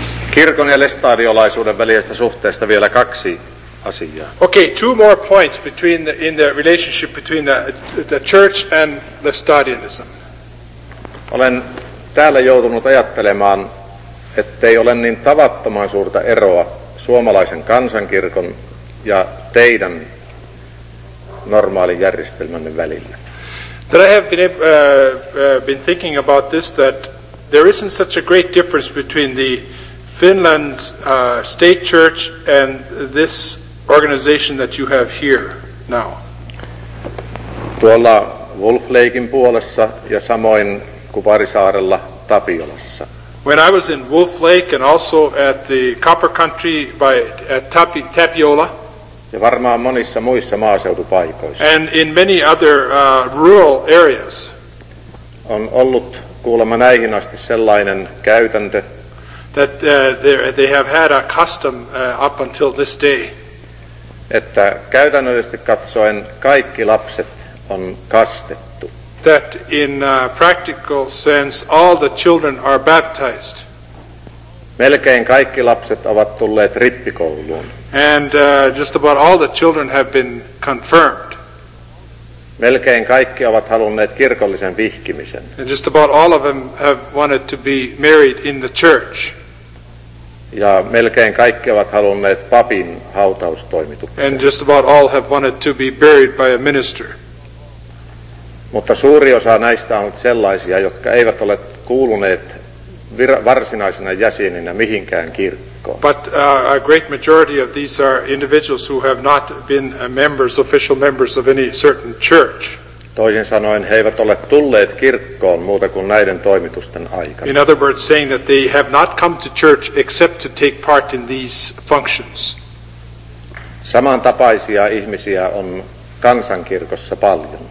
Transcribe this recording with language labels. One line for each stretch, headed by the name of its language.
Finnish: Kirkon ja lestadiolaisuuden välisestä suhteesta vielä kaksi asiaa.
English: Okay, two more points in the relationship between the church and lestadianism.
Finnish: Olen täällä joutunut ajattelemaan, ettei ole niin tavattoman suurta eroa suomalaisen kansankirkon ja teidän normaalin järjestelmänne välillä.
English: That I have been thinking about this, that there isn't such a great difference between the Finland's state church and this organization that you have here now?
Finnish: Tuolla Wolf Lakein puolessa ja samoin Kuparisaarella Tapiolassa.
English: When I was in Wolf Lake and also at the Copper Country by at Tapiola.
Finnish: Ja varmaan monissa muissa maaseutupaikoissa.
English: And in many other rural areas.
Finnish: On ollut kuulemma näihin asti sellainen käytäntö.
English: That they have had a custom up until this day.
Finnish: Että käytännöllisesti katsoen kaikki lapset on kastettu.
English: That in a practical sense all the children are baptized.
Finnish: Melkein kaikki lapset ovat tulleet rippikouluun.
English: And just about all the children have been confirmed.
Finnish: Melkein kaikki ovat halunneet kirkollisen vihkimisen.
English: And just about all of them have wanted to be married in the church.
Finnish: Ja melkein kaikki ovat halunneet papin hautaustoimituksen.
English: And just about all have wanted to be buried by a minister.
Finnish: Mutta suuri osa näistä on sellaisia, jotka eivät ole kuuluneet varsinaisena jäseninä mihinkään kirkkoon.
English: But a great majority of these are individuals who have not been members, official members of any certain church.
Finnish: Toisin sanoen, he eivät ole tulleet kirkkoon muuta kuin näiden toimitusten aikana.
English: In other words, saying that they have not come to church except to take part in these functions.
Finnish: Samantapaisia ihmisiä on kansankirkossa paljon.